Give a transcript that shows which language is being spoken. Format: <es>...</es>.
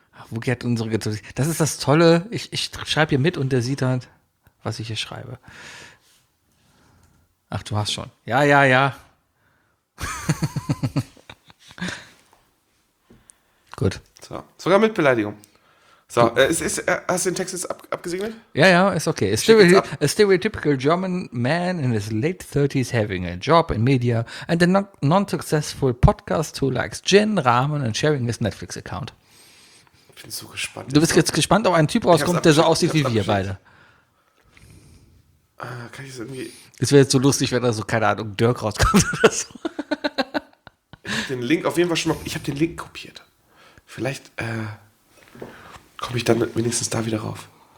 <de>Wookie hat unsere Getränke. Das ist das Tolle. Ich schreibe hier mit und der sieht halt, was ich hier schreibe. Ach, du hast schon. Ja. Gut. So. Sogar mit Beleidigung. So, hast du den Text jetzt abgesegnet? Ja, ist okay.</de> <en>A stereotypical German man in his late 30s having a job in media and a non-successful podcast who likes gin, ramen and sharing his Netflix account.</en> <de>Ich bin so gespannt. Du bist jetzt gespannt, ob ein Typ rauskommt, der so aussieht wie wir beide. Kann ich das irgendwie. Es wäre jetzt so lustig, wenn da so, keine Ahnung, Dirk rauskommt oder so. Ich habe den Link auf jeden Fall schon mal. Ich habe den Link kopiert. Vielleicht komme ich dann wenigstens da wieder rauf.</de>